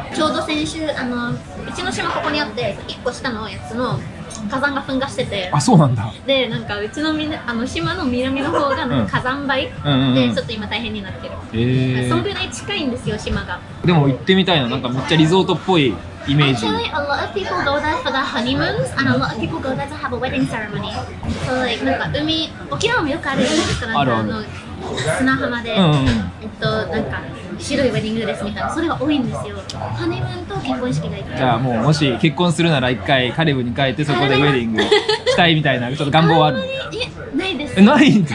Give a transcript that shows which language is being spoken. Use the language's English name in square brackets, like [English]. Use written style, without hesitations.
[Japanese] ちょうど先週うちの島ここにあって、1個下のやつの火山が噴火してて。あ、そうなんだ。でなんかうちの島の南の方がなんか火山灰で、ちょっと今大変になってる。そのぐらい近いんですよ、島が。でも行ってみたいな、なんかめっちゃリゾートっぽいイメージ。 [English] Actually, a lot of people go there for their honeymoons and a lot of people go there to have a wedding ceremony. So like, [Japanese] なんか海、沖縄もよくあるんですから、あるある。砂浜で、なんか白いウェディングですみたいな、それが多いんですよ。ハネムーンと結婚式がいい。じゃあもうもし結婚するなら一回カリブに帰って、そこでウェディングしたいみたいな、ちょっと願望はある？あんまり、ないです。ないんだ。